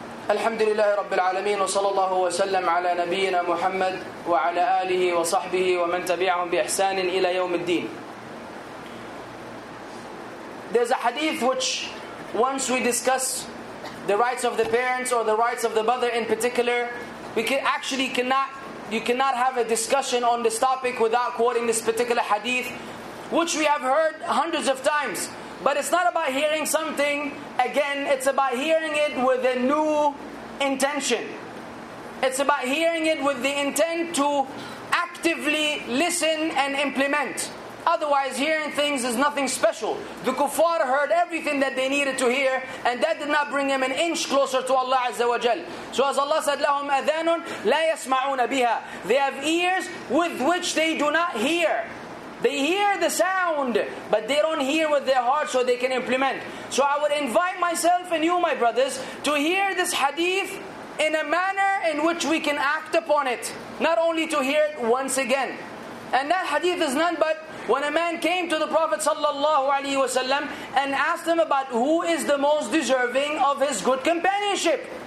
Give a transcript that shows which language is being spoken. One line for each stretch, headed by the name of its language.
Arabic: الحمد لله رب العالمين وصلى الله وسلم على نبينا محمد وعلى آله وصحبه ومن تبعهم بإحسان إلى يوم الدين.
English: There's a hadith which, once we discuss the rights of the parents or the rights of the mother in particular, we can actually cannot have a discussion on this topic without quoting this particular hadith, which we have heard hundreds of times. But it's not about hearing something again, it's about hearing it with a new intention. It's about hearing it with the intent to actively listen and implement. Otherwise, hearing things is nothing special. The kuffar heard everything that they needed to hear, and that did not bring them an inch closer to Allah Azza wa Jal. So as Allah said,
Arabic: لَهُمْ أَذَانٌ لَا يَسْمَعُونَ بِهَا.
English: They have ears with which they do not hear. They hear the sound, but they don't hear with their heart so they can implement. So I would invite myself and you, my brothers, to hear this hadith in a manner in which we can act upon it. Not only to hear it once again. And that hadith is none but when a man came to the Prophet sallallahu alaihi wasallam and asked him about who is the most deserving of his good companionship.